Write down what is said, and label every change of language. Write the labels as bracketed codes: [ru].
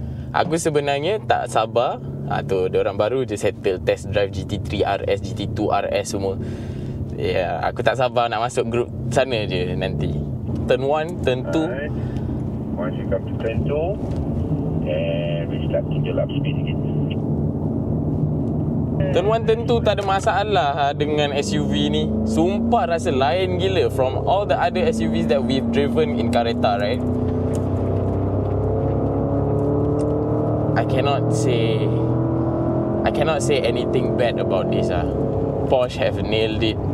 [ms] Aku sebenarnya tak sabar tu, diorang baru je settle test drive GT3 RS, GT2 RS semua. Yeah, aku tak sabar nak masuk group sana je nanti. Turn 1, turn 2. [en] Alright, once you come to turn 2 and we start to gel up speed again. [ms] Turn 1, turn 2 tak ada masalah dengan SUV ni. Sumpah rasa lain gila [en] from all the other SUVs that we've driven in kereta, right? I cannot say anything bad about this. Porsche have nailed it